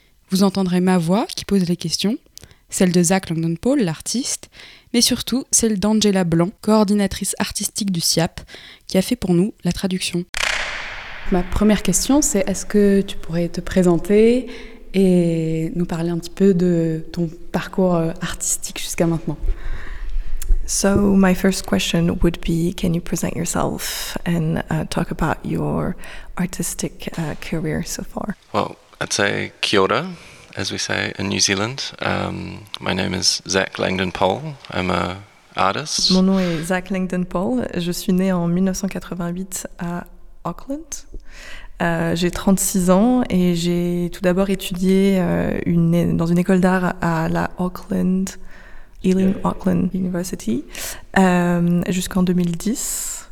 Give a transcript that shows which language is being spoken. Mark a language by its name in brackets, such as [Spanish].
[French] Vous entendrez ma voix qui pose les questions, celle de Zach Langdon-Paul, l'artiste, mais surtout celle d'Angela Blanc, coordinatrice artistique du CIAP, qui a fait pour nous la traduction. Ma première question, c'est est-ce que tu pourrais te présenter et nous parler un petit peu de ton parcours artistique jusqu'à maintenant? [English] So my first question would be, can you present yourself and talk about your artistic career so far? Well, I'd say kia ora, as we say in New Zealand. My name is Zach Langdon-Paul. I'm a artist. [French] Mon nom est Zach Langdon-Paul. Je suis né en 1988 à Auckland. J'ai 36 ans et j'ai tout d'abord étudié dans une école d'art à la Auckland University, jusqu'en 2010.